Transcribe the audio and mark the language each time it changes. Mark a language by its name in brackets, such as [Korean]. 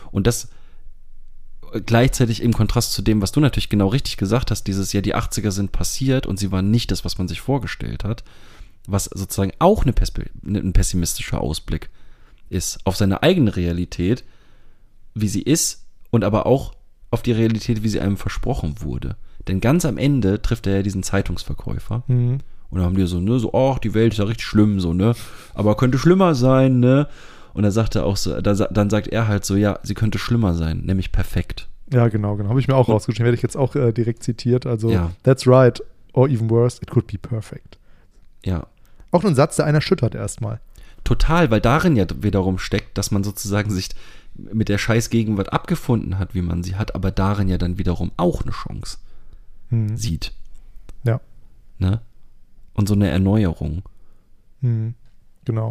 [German] Und das gleichzeitig im Kontrast zu dem, was du natürlich genau richtig gesagt hast, dieses, ja, die 80er sind passiert und sie waren nicht das, was man sich vorgestellt hat, was sozusagen auch ein pessimistischer Ausblick ist auf seine eigene Realität, wie sie ist, und aber auch auf die Realität, wie sie einem versprochen wurde. Denn ganz am Ende trifft er ja diesen Zeitungsverkäufer Und dann haben die so, ne, so, ach, die Welt ist ja richtig schlimm, so, ne, aber könnte schlimmer sein, ne. Und dann sagt er auch so, dann sagt er halt so, ja, sie könnte schlimmer sein, nämlich perfekt. Ja, genau. Habe ich mir auch rausgeschrieben, werde ich jetzt auch direkt zitiert. Also, ja. [English] That's right, or even worse, it could be perfect. [German] Ja. Auch ein Satz, der einen erschüttert erstmal. Total, weil darin ja wiederum steckt, dass man sozusagen sich mit der Scheißgegenwart abgefunden hat, wie man sie hat, aber darin ja dann wiederum auch eine Chance sieht. Ja. Ne? Und so eine Erneuerung. Mhm. Genau.